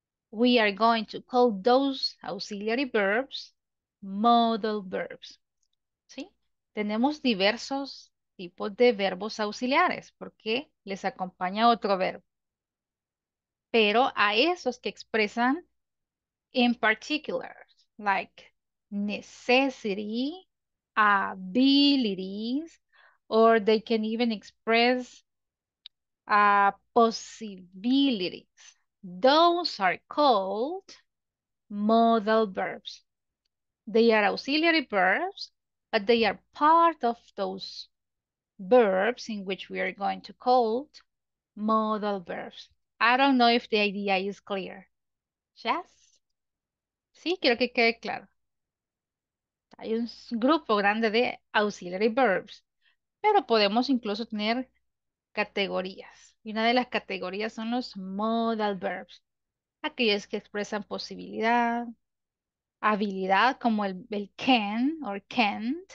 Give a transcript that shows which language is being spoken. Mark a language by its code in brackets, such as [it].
[en] We are going to call those auxiliary verbs modal verbs. [es] ¿Sí? Tenemos diversos tipos de verbos auxiliares porque les acompaña otro verbo. Pero a esos que expresan [en] in particular, like necessity, abilities, or they can even express possibilities. Those are called modal verbs. They are auxiliary verbs, but they are part of those verbs in which we are going to call modal verbs. I don't know if the idea is clear. [es] Yes? Sí, quiero que quede claro. Hay un grupo grande de auxiliary verbs, pero podemos incluso tener categorías. Y una de las categorías son los modal verbs, aquellos que expresan posibilidad, habilidad, como el can or can't.